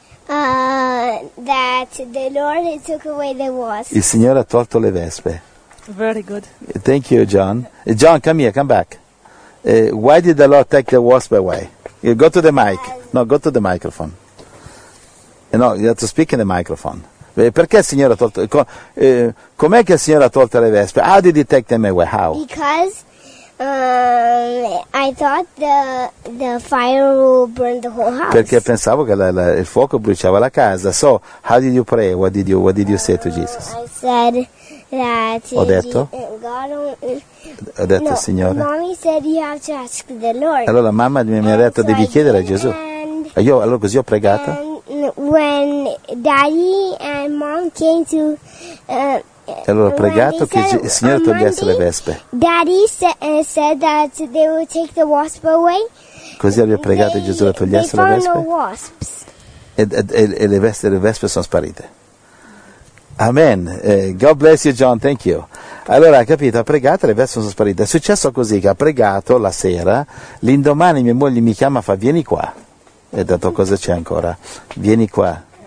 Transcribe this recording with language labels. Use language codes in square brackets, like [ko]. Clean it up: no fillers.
[en] That the Lord took away the wasps. [it] Il Signore ha tolto le vespe. [en] Very good. Thank you, John. John, come here, come back. Why did the Lord take the wasp away? You go to the mic. No, go to the microphone. No, you have to speak in the microphone. [it] Perché il Signore ha tolto... com'è che il Signore ha tolto le vespe? [en] How did he take them away? How? Because I thought the fire will burn the whole house. Perché pensavo che il fuoco bruciava la casa. So, how did you pray? What did you say to Jesus? I said that... [it] Ho detto? Ho detto, no, Signore? [en] Mommy said you have to ask the Lord. [it] Allora mamma mi ha detto, [en] so [it] devi chiedere a Gesù. [en] And [it] io, allora così ho pregato. [en] And when daddy and mom came to [it] allora ho pregato che il Signore togliesse le vespe. [en] Daddy said that they will take the wasp away. [it] Così abbia pregato che Gesù togliesse le vespe. [en] They found no wasps. [it] E le vespe sono sparite. Amen. [en] God bless you, John. Thank you. [it] Allora, capito, ha pregato e le vespe sono sparite. È successo così che ha pregato la sera. L'indomani mia moglie mi chiama e fa, vieni qua. E ha detto, cosa c'è ancora? Vieni qua.